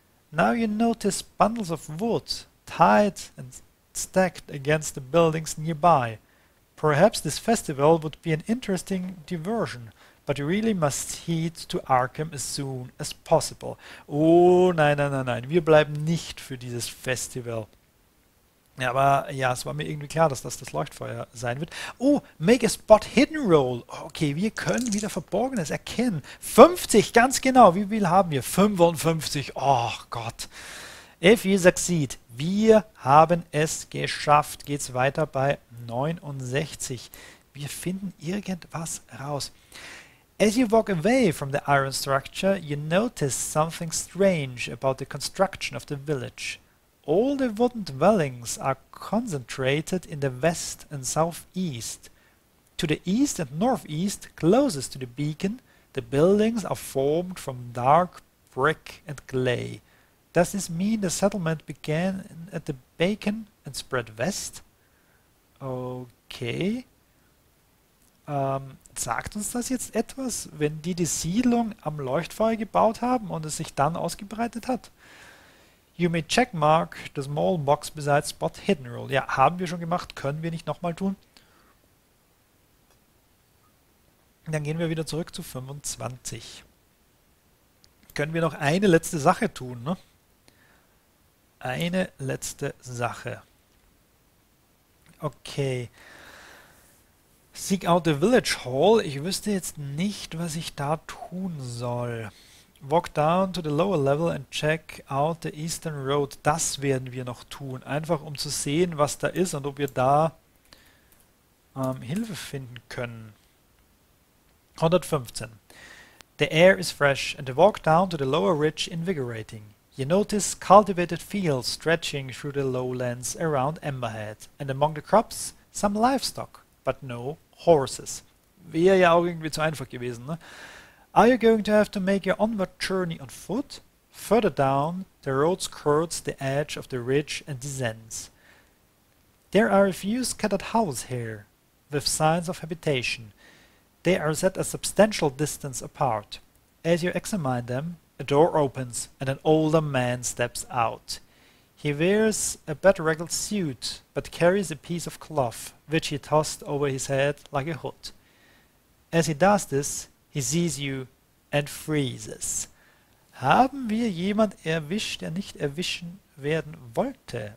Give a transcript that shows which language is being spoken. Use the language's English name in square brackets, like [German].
[English] Now you notice bundles of wood tied and stacked against the buildings nearby. Perhaps this festival would be an interesting diversion. But you really must head to Arkham as soon as possible. [German] Oh, nein. Wir bleiben nicht für dieses Festival. Ja, aber ja, es war mir irgendwie klar, dass das das Leuchtfeuer sein wird. [English] Oh, make a spot hidden roll. Okay, [German] wir können wieder Verborgenes erkennen. 50, ganz genau. Wie viel haben wir? 55. Oh Gott. [English] If you succeed, [German] wir haben es geschafft. Geht's weiter bei 69. Wir finden irgendwas raus. [English] As you walk away from the iron structure, you notice something strange about the construction of the village. All the wooden dwellings are concentrated in the west and southeast. To the east and northeast, closest to the beacon, the buildings are formed from dark brick and clay. Does this mean the settlement began at the Bacon and spread west? Okay. [German] Sagt uns das jetzt etwas, wenn die die Siedlung am Leuchtfeuer gebaut haben und es sich dann ausgebreitet hat? [English] You may checkmark the small box beside spot hidden rule. [German] Ja, haben wir schon gemacht, können wir nicht nochmal tun. Dann gehen wir wieder zurück zu 25. Können wir noch eine letzte Sache tun, ne? Eine letzte Sache. Okay. [English] Seek out the village hall. [German] Ich wüsste jetzt nicht, was ich da tun soll. [English] Walk down to the lower level and check out the eastern road. [German] Das werden wir noch tun. Einfach um zu sehen, was da ist und ob wir da Hilfe finden können. 115. [English] The air is fresh and the walk down to the lower ridge invigorating. You notice cultivated fields stretching through the lowlands around Emberhead. And among the crops, some livestock, but no horses. [German] Wäre ja auch irgendwie zu einfach gewesen, ne? [English] Are you going to have to make your onward journey on foot? Further down, the road skirts the edge of the ridge and descends. There are a few scattered houses here, with signs of habitation. They are set a substantial distance apart. As you examine them, a door opens and an older man steps out. He wears a bedraggled suit, but carries a piece of cloth, which he tossed over his head like a hood. As he does this, he sees you and freezes. [German] Haben wir jemand erwischt, der nicht erwischen werden wollte?